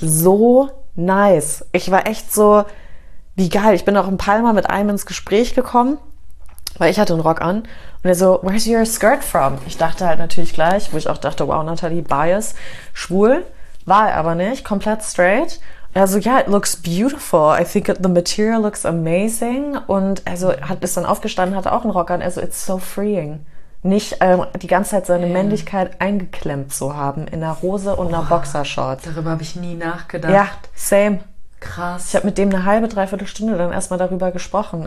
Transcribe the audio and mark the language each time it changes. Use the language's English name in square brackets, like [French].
[English] So nice. [German] Ich war echt so, wie geil. Ich bin auch in Palma mit einem ins Gespräch gekommen. Weil ich hatte einen Rock an und er so, [English] where's your skirt from? [German] Ich dachte halt natürlich gleich, wo ich auch dachte, wow, Natalie, bias, schwul, war er aber nicht, komplett straight. Er so, [English] yeah, it looks beautiful, I think the material looks amazing. [German] Und er so, ist dann aufgestanden, hatte auch einen Rock an, er so, [English] it's so freeing. [German] Nicht die ganze Zeit seine Männlichkeit eingeklemmt zu haben in einer Hose und einer Boxershorts. Darüber habe ich nie nachgedacht. Ja, same. Krass. Ich habe mit dem eine halbe, dreiviertel Stunde dann erstmal darüber gesprochen.